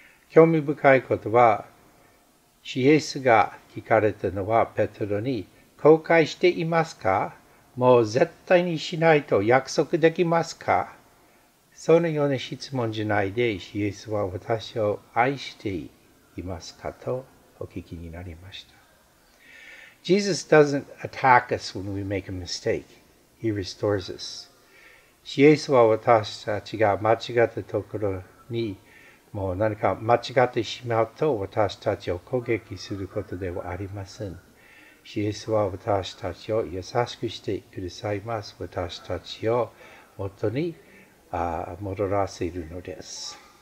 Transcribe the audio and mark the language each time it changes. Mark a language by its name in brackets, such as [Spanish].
[Japanese] 興味深いことは、イエスが聞かれたのは、ペトロに、後悔していますか? もう絶対にしないと約束できますか? そのような質問じゃないで、イエスは私を愛していますかとお聞きになりました。 [English] Jesus doesn't attack us when we make a mistake. He restores us. [Japanese] イエスは私たちが間違ったところに、もう何か間違ってしまうと私たちを攻撃することではありません。イエスは私たちを優しくしてくださいます。私たちを元に戻らせるのです。